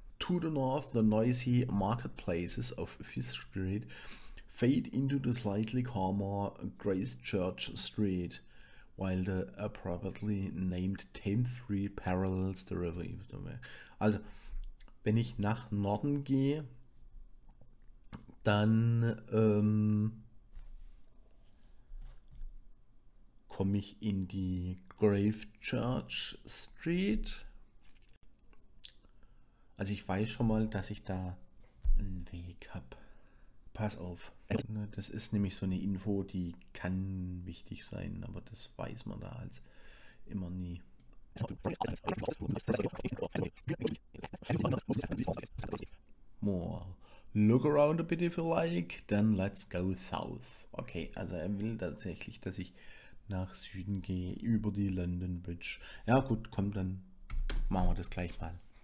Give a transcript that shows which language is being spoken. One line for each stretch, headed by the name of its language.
English: To the north, the noisy marketplaces of Fish Street fade into the slightly calmer Gracechurch Street, while the appropriately named Thames Street parallels the river.
German: Also, wenn ich nach Norden gehe, dann komme ich in die Gracechurch Street. Also ich weiß schon mal, dass ich da einen Weg habe. Pass auf. Das ist nämlich so eine Info, die kann wichtig sein, aber das weiß man da als immer nie.
English: More. Look around a bit if you like, then let's go south.
German: Okay, also er will tatsächlich, dass ich nach Süden gehe, über die London Bridge. Ja gut, komm, dann machen wir das gleich mal.